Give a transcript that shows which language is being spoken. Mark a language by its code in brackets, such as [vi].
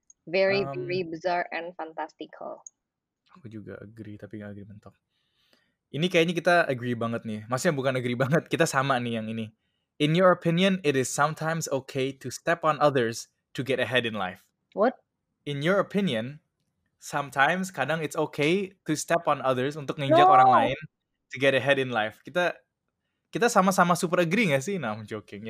[en] Very, very bizarre and fantastical. [id] Aku juga agree, tapi gak agree mentok. Ini kayaknya kita agree banget nih. Maksudnya bukan agree banget, kita sama nih yang ini. [en] In your opinion, it is sometimes okay to step on others to get ahead in life. What? In your opinion, sometimes, kadang it's okay to step on others [id] untuk nginjak orang lain [en] to get ahead in life. [id] Kita sama-sama super agree gak sih? Nah, [en] I'm joking.